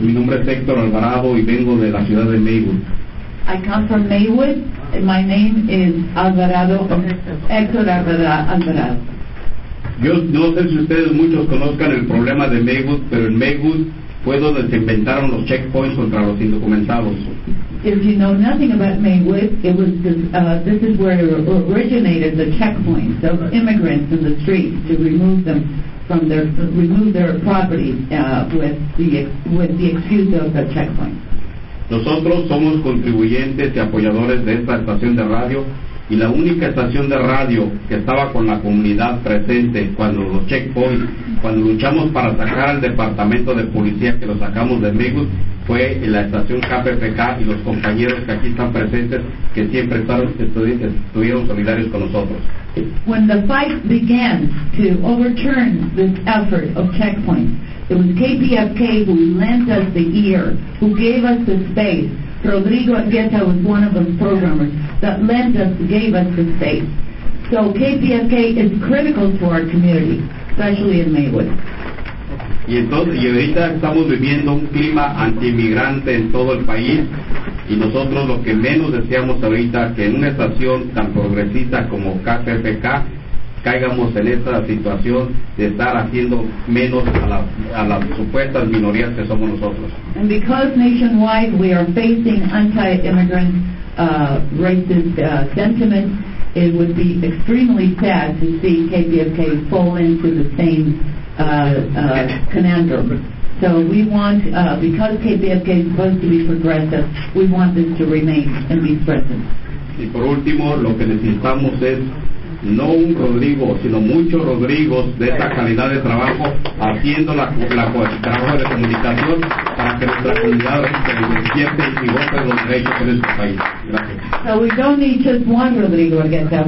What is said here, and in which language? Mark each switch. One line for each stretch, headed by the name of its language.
Spanish: Mi nombre es Héctor Alvarado y vengo de la ciudad de Maywood.
English: I come from Maywood. And my name is Alvarado, Héctor Alvarado.
Spanish: Yo no sé si ustedes muchos conozcan el problema de Maywood, pero en Maywood fue donde se inventaron los checkpoints contra los indocumentados.
English: If you know nothing about Maywood, it was this is where originated the checkpoints of immigrants in the street to remove them from their remove their property with the excuse of the checkpoint.
Spanish: Nosotros somos contribuyentes y apoyadores de esta estación de radio. Y la única estación de radio que estaba con la comunidad presente cuando los checkpoints, cuando luchamos para sacar al departamento de policía que lo sacamos de Maywood, fue la estación KPFK y los compañeros que aquí están presentes, que siempre estuvieron solidarios con nosotros.
English: When the fight began to overturn this effort of checkpoints, it was KPFK who lent us the ear, who gave us the space. Rodrigo Argueta was one of those programmers that lent us, gave us the space. So KPFK is critical to our community, especially in Maywood.
Spanish: Y entonces, y ahorita estamos viviendo un clima anti-inmigrante en todo el país, y nosotros lo que menos deseamos ahorita que en una estación tan progresista como KPFK caigamos en esta situación de estar haciendo menos a las supuestas minorías que somos nosotros.
English: And because nationwide we are facing anti-immigrant racist sentiment, it would be extremely sad to see KPFK fall into the same conundrum. So we want, because KPFK is supposed to be progressive, we want this to remain and be present.
Spanish: Y por último, lo que necesitamos es no un Rodrigo, sino muchos Rodrigos de esta calidad de trabajo haciendo la trabajo de comunicación para que nuestra comunidad se divierta y goce de los derechos en este país. Gracias.
English: So we don't need just one Rodrigo Argueta.